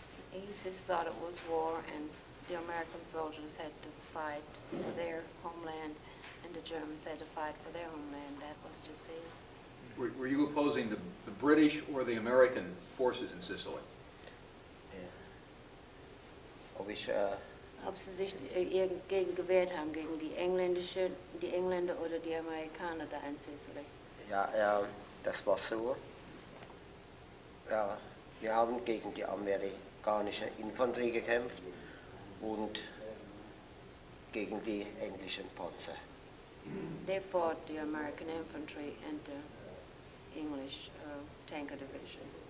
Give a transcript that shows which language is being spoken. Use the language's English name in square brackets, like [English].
[English] He just thought it was war and the American soldiers had to fight for their homeland and the Germans had to fight for their homeland, that was just his. Were you opposing the British or the American forces in Sicily? Yeah. [German] Ob ich, ob Sie sich gegen gewehrt haben, gegen die Engländer oder die Amerikaner da in Sicily? Ja, das war so. Ja, wir haben gegen die amerikanische Infanterie gekämpft und gegen die englischen Panzer. [English] They fought the American infantry and the English tanker division.